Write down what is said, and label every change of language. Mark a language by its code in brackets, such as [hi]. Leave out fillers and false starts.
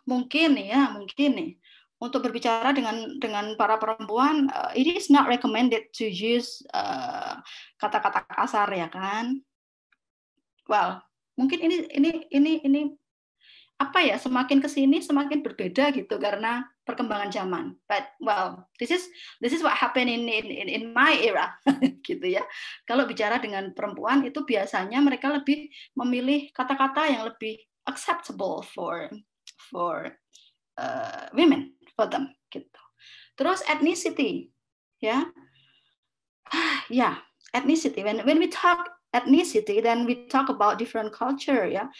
[id] Mungkin nih untuk berbicara dengan para perempuan, [en] it is not recommended to use [id] kata-kata kasar ya kan. Well, mungkin ini apa ya, semakin kesini semakin berbeda gitu karena perkembangan zaman. [en] But well, this is what happened in my era [id] gitu ya. Kalau bicara dengan perempuan itu biasanya mereka lebih memilih kata-kata yang lebih [en] acceptable for women, for them [id] gitu. Terus ethnicity, ya. Yeah, ethnicity. [en] When we talk ethnicity, then we talk about different culture, ya.